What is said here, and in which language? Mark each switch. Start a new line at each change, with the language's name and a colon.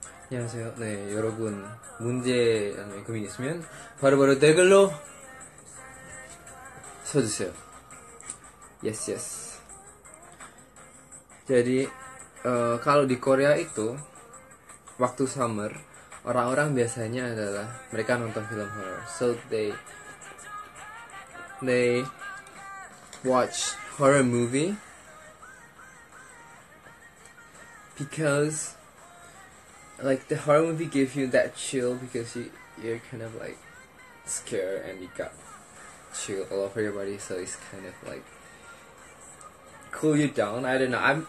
Korean: Hello, 네 여러분 문제 아니면 고민 있으면 바로 댓글로 써주세요.
English: Yes.
Indonesian: �adi kalau di Korea itu waktu summer orang-orang biasanya adalah mereka nonton film horror.
English: So they watch horror movie because like the horror movie give you that chill because you're kind of like scared and you got chill all over your body, so it's kind of like cool you down. I don't know.